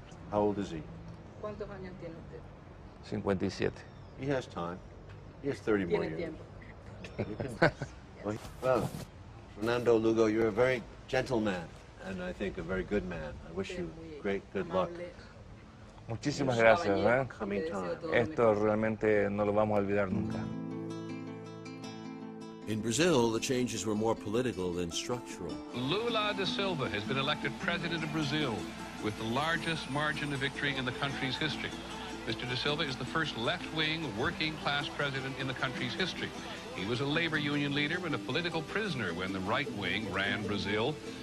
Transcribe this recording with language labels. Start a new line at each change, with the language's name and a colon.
English: How old is he?
Spanish: ¿Cuántos años tiene usted? 57.
English: He has time. He has 30
Spanish: ¿Tiene
English: more
Spanish: tiempo?
English: Years.
Spanish: Tiene tiempo.
English: Well, Fernando Lugo, you're a very gentle man, and I think a very good man. I wish you... Great, good luck.
Spanish: Muchísimas gracias. Esto realmente no lo vamos a olvidar nunca.
English: In Brazil, the changes were more political than structural. Lula da Silva has been elected president of Brazil with the largest margin of victory in the country's history. Mr. da Silva is the first left-wing working-class president in the country's history. He was a labor union leader and a political prisoner when the right wing ran Brazil.